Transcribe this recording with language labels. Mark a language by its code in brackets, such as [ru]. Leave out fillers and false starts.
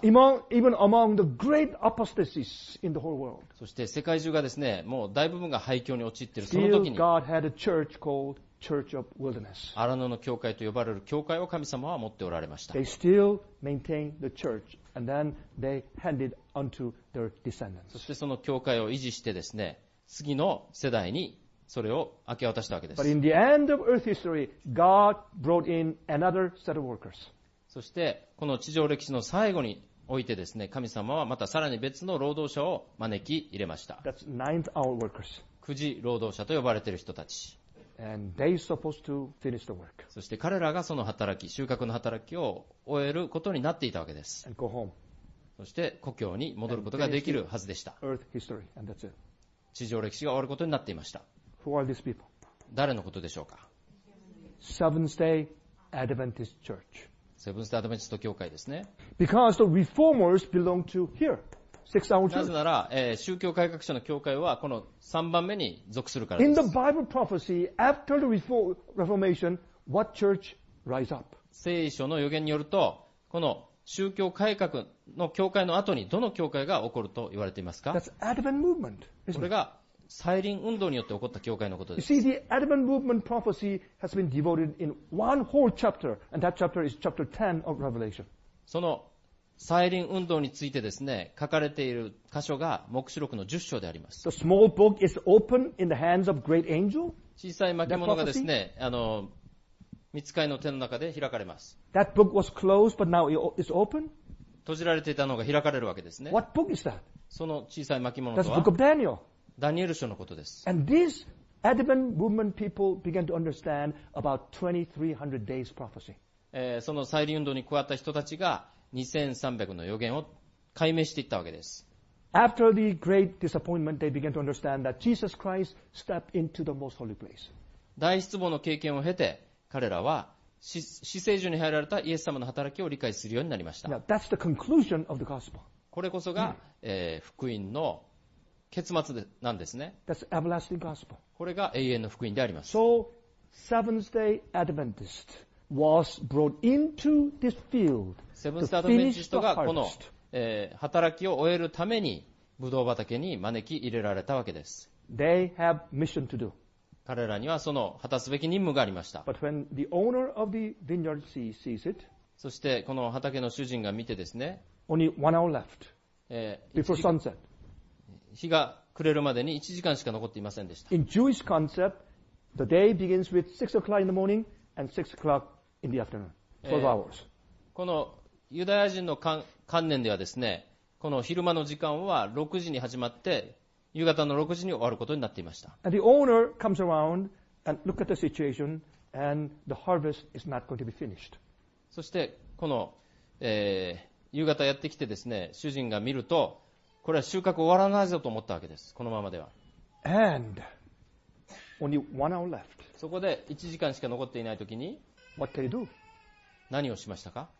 [en] Even among the great apostasies in the whole world. [ja] そして世界中がですね、もう大部分が廃墟に陥っているその時に、 [en] God had a church called Church of Wilderness. [ja] アラノの教会と呼ばれる教会を神様は持っておられました。 [en] They still maintained the church, and then they handed unto their descendants. [ja] そしてその教会を維持してですね、次の世代にそれを明け渡したわけです。 [en] But in the end of Earth history, God brought in another set of workers. [ja] そしてこの地上歴史の最後においてですね、神様はまたさらに別の労働者を招き入れました。 [en] That's ninth hour workers. [ja] 九時労働者と呼ばれている人たち。 [en] And they supposed to finish the work. [ja] そして彼らがその働き、収穫の働きを終えることになっていたわけです。 [en] And go home. [ja] そして故郷に戻ることができるはずでした。 [en] Earth history, and that's it. [ja] 地上歴史が終わることになっていました。 [en] Who are these people? [ja] 誰のことでしょうか。 [en] Seventh Day Adventist Church. [ja] セブンス・デイ・アドベンチスト教会ですね。 [en] Because the reformers belong to here, six-hour church. [ja] なぜなら、宗教改革者の教会はこの3番目に属するからです。 [en] In the Bible prophecy, after the Reformation, what church rise up? [ja] 聖書の予言によると、この宗教改革の教会の後にどの教会が起こると言われていますか。 [en] That's Advent movement. [ja] これが再臨運動によって起こった教会のことです。 [en] You see, the Advent movement prophecy has been devoted in one whole chapter, and that chapter is chapter 10 of Revelation. [ja] その再臨運動についてですね、書かれている箇所が黙示録の10章であります。 [en] The small book is open in the hands of great angel. [ja] 小さい巻物がですね、御使いの手の中で開かれます。 [en] That book was closed, but now it's open. [ja] 閉じられていたのが開かれるわけですね。 [en] What book is that? [ja] その小さい巻物とは。 [en] That's the book of Daniel. [ja] ダニエル書のことです。 [en] And this Advent movement people began to understand about 2300 days prophecy. [ja] その再臨運動に加わった人たちが2300の予言を解明していったわけです。 [en] After the great disappointment, they began to understand that Jesus Christ stepped into the most holy place. [ja] 大失望の経験を経て、彼らは死聖所に入られたイエス様の働きを理解するようになりました。 [en] Now, that's the conclusion of the gospel. [ja] これこそが、福音の結末なんですね。 [en] That's everlasting gospel. [ja] これが永遠の福音であります。 [en] So, Seventh-day Adventist was brought into this field to finish the harvest. [ja] セブンス・アドベンチストがこの、働きを終えるためにブドウ畑に招き入れられたわけです。 [en] They have mission to do. [ja] 彼らにはその果たすべき任務がありました。 [en] But when the owner of the vineyard sees it, [ja] そしてこの畑の主人が見てですね、 [en] Only one hour left before sunset. [ja] 日が暮れるまでに1時間しか残っていませんでした。 [en] In Jewish concept, the day begins with 6 o'clock in the morning and 6 o'clock in the afternoon. 12 hours. [ja] このユダヤ人の観念ではですね、この昼間の時間は6時に始まって、夕方の6時に終わることになっていました。 [en] And the owner comes around and look at the situation and the harvest is not going to be finished. [ja] そしてこの、夕方やってきてですね、主人が見ると、これは収穫終わらないぞと思ったわけです。このままでは。 [en] And only one hour left. [ja] そこで1時間しか残っていないときに、 [en] What can he do? [ja] 何をしましたか。